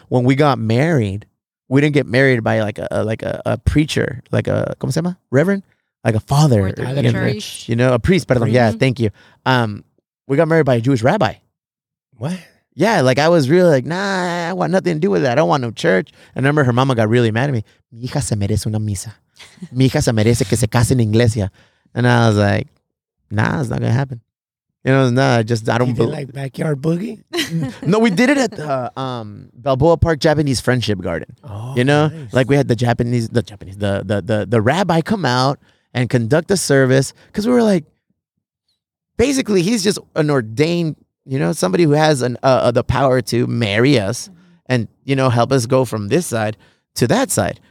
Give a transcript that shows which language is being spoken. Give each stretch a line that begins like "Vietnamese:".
English: When we got married, we didn't get married by like a preacher, like a,
Spanish: ¿cómo se llama?
English: Reverend? Like a father. A priest, pardon. Mm-hmm. Yeah, thank you. We got married by a Jewish rabbi. What? Yeah, like I was really like, nah, I want nothing to do with it. I don't want no church. And I remember her mama got really mad at me.
Spanish: Mi hija se merece una misa. Mi hija se merece que se case en iglesia.
English: And I was like, nah, it's not going to happen. You know, no, I just, I don't believe. Like backyard boogie? No, we did it at the Balboa Park Japanese Friendship Garden. Oh, you know, nice. Like we had the rabbi come out and conduct a service because we were like, basically, he's just an ordained, you know, somebody who has the power to marry us and, you know, help us go from this side to that side.